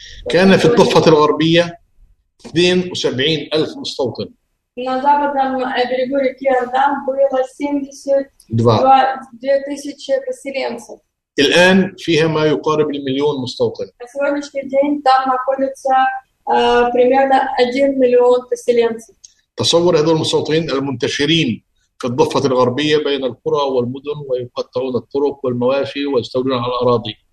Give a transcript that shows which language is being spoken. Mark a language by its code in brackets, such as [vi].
[ar] كان في الضفة الغربية 72 ألف مستوطن. [ru] На западном берегу реки Иордан было 72 тысячи поселенцев. [ar] الآن فيها ما يقارب المليون مستوطن. [ru] На сегодняшний день там находится примерно 1 миллион поселенцев. [ar] تصور هذول المستوطنين المنتشرين في الضفة الغربية بين القرى والمدن ويقطعون الطرق والمواشي ويستولون على الأراضي.